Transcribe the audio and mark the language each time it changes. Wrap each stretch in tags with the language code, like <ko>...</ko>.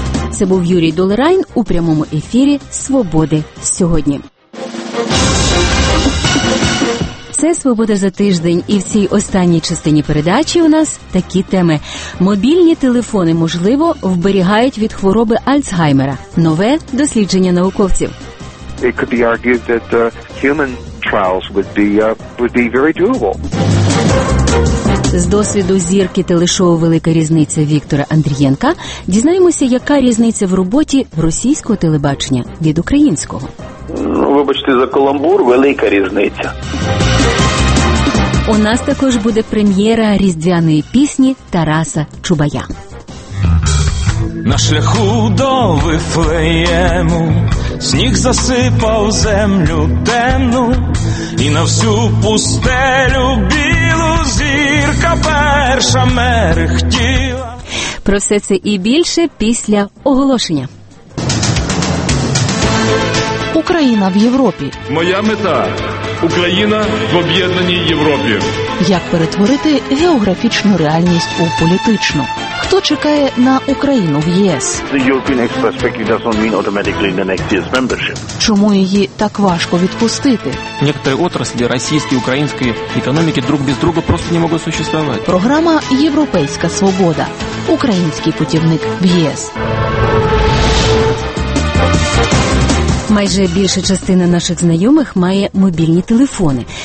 <uk>Це був Юрій Долерайн у прямому ефірі «Свободи сьогодні». Це «Свобода за тиждень», і в цій останній частині передачі у нас такі теми. Мобільні телефони, можливо, вберігають від хвороби Альцгеймера. Нове дослідження науковців.</uk> <en>It could be argued that the human trials would be very doable.</en> <uk>З досвіду зірки телешоу «Велика різниця» Віктора Андрієнка дізнаємося, яка різниця в роботі в російського телебачення від українського. Ну, вибачте за каламбур, велика різниця. У нас також буде прем'єра різдвяної пісні Тараса Чубая. На шляху до Вифлеєму сніг засипав землю темну, і на всю пустелю білу зірка перша мерехтіла. Про все це і більше після оголошення. Україна в Європі. Моя мета – Україна в об'єднаній Європі. Як перетворити географічну реальність у політичну? Хто чекає на Україну в ЄС?</uk> <en>The European Express Package doesn't mean automatically the next year's membership.</en> <uk>Чому її так важко відпустити?</uk> <ru>Некоторі отраслі російської, української економіки друг без друга просто не можуть существувати.</ru> <uk>Програма «Європейська свобода». Український путівник в ЄС. Майже більша частина наших знайомих має мобільні телефони.</uk>